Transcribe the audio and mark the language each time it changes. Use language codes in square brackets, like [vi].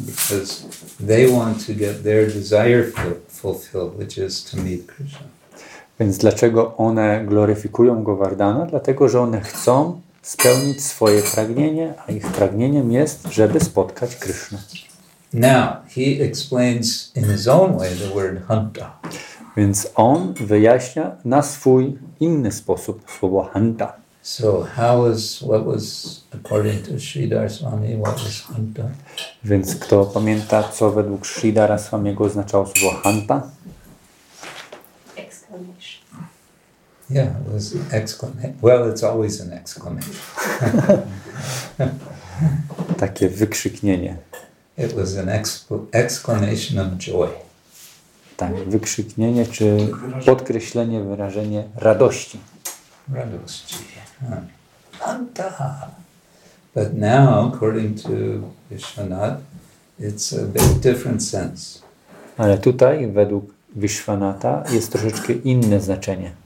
[en] Because they want to get their desire fulfilled, which is to meet Krishna. [pl] Więc dlaczego one gloryfikują Govardhana? Dlatego, że one chcą spełnić swoje pragnienie, a ich pragnieniem jest, żeby spotkać Krishna. [en] Now, he explains in his own way the word hanta. [pl] Więc on wyjaśnia na swój inny sposób słowo hanta. [en] So, how is, what was, according to Sridhar Swami, what was hanta? [pl] Więc kto pamięta, co według Sridhara Swamiego oznaczało słowo hanta? [en] Yeah, it was an exclamation. Well, it's always an exclamation. [pl] Takie wykrzyknienie. [en] It was an exclamation of joy. [pl] Tak, wykrzyknienie czy podkreślenie, wyrażenie radości. Radości. Hanta. [en] But now, according to Vishwanath, it's a bit different sense. [pl] Ale tutaj, według Vishwanatha, jest troszeczkę inne znaczenie.